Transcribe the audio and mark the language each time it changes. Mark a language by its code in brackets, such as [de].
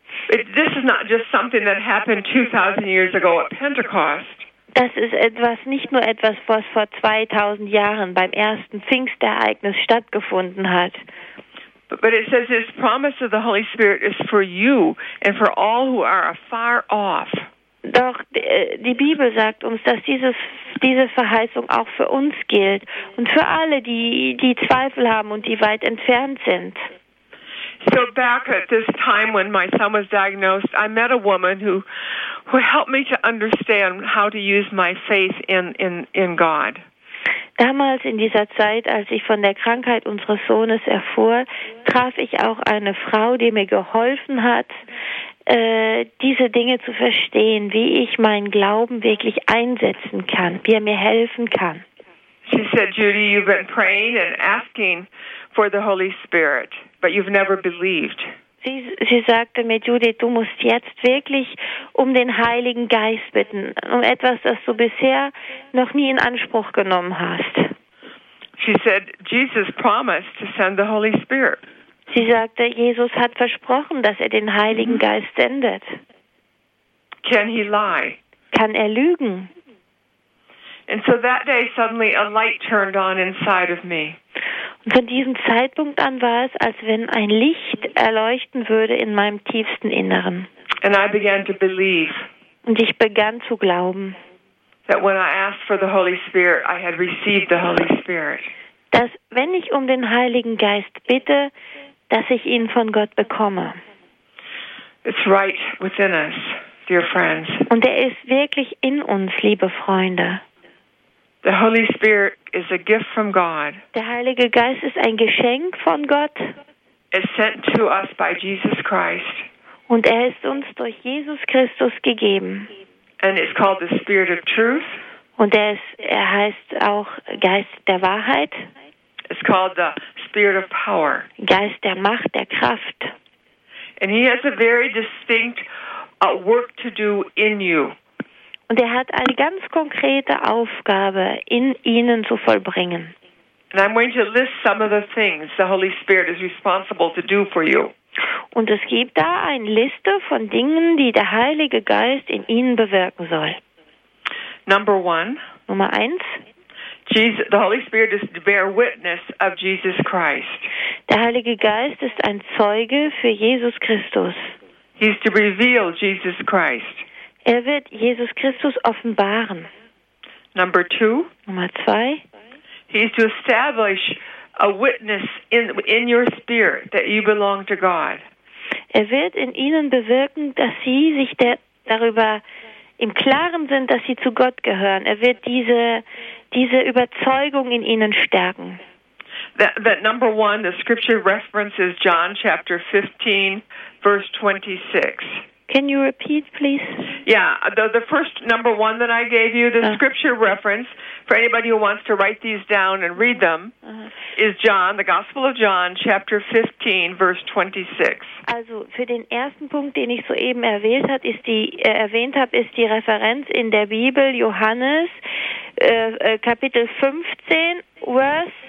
[en] This is not just something that happened 2000 years ago at Pentecost. [de] Das ist etwas, nicht nur etwas, was vor 2000 Jahren beim ersten Pfingstereignis stattgefunden hat. [en] But it says this promise of the Holy Spirit is for you and for all who are afar off. [de] Doch die Bibel sagt uns, dass diese Verheißung auch für uns gilt und für alle, die Zweifel haben und die weit entfernt sind. [en] So back at this time when my son was diagnosed, I met a woman who helped me to understand how to use my faith in God. [de] Damals in dieser Zeit, als ich von der Krankheit unseres Sohnes erfuhr, traf ich auch eine Frau, die mir geholfen hat, diese Dinge zu verstehen, wie ich meinen Glauben wirklich einsetzen kann, wie er mir helfen kann. [en] She said, Judy, you've been praying and asking for the Holy Spirit, but you've never believed. [de] Sie sagte mir, Judy, du musst jetzt wirklich um den Heiligen Geist bitten, um etwas, das du bisher noch nie in Anspruch genommen hast. [en] She said, Jesus promised to send the Holy Spirit. [de] Sie sagte, Jesus hat versprochen, dass er den Heiligen Geist sendet. [en] Can he lie? [de] Kann er lügen? [en] And so that day suddenly a light turned on inside of me. [de] Und von diesem Zeitpunkt an war es, als wenn ein Licht erleuchten würde in meinem tiefsten Inneren. [en] And I began to believe. [de] Und ich begann zu glauben. [en] That when I asked for the Holy Spirit, I had received the Holy Spirit. [de] Dass wenn ich um den Heiligen Geist bitte, dass ich ihn von Gott bekomme. [en] It's right within us, dear friends. [de] Und er ist wirklich in uns, liebe Freunde. [en] The Holy Spirit is a gift from God. [de] Der Heilige Geist ist ein Geschenk von Gott. [en] It's sent to us by Jesus Christ. [de] Und er ist uns durch Jesus Christus gegeben. [en] And it's called the Spirit of Truth. [de] Und er heißt auch Geist der Wahrheit. [en] It's called the Spirit of Power. [de] Geist der Macht, der Kraft. [en] And he has a very distinct work to do in you. [de] Und er hat eine ganz konkrete Aufgabe in Ihnen zu vollbringen. [en] And I'm going to list some of the things the Holy Spirit is responsible to do for you. [de] Und es gibt da eine Liste von Dingen, die der Heilige Geist in Ihnen bewirken soll. [en] Number one. [de] Nummer eins. [en] The Holy Spirit is to bear witness of Jesus Christ. [de] Der Heilige Geist ist ein Zeuge für Jesus Christus. [en] He is to reveal Jesus Christ. [de] Er wird Jesus Christus offenbaren. [en] Number two. [de] Nummer zwei. [en] He is to establish a witness in your spirit that you belong to God. [de] Er wird in Ihnen bewirken, dass Sie sich darüber im Klaren sind, dass Sie zu Gott gehören. Er wird diese Überzeugung in Ihnen stärken. [en] That number one, the scripture reference is John chapter 15, verse 26. Can you repeat, please? Yeah, the first number one that I gave you, the scripture reference, for anybody who wants to write these down and read them, is John, the Gospel of John, chapter 15, verse 26. [de] Also, für den ersten Punkt, den ich soeben erwähnt habe, ist die Referenz in der Bibel, Johannes, Kapitel 15, Vers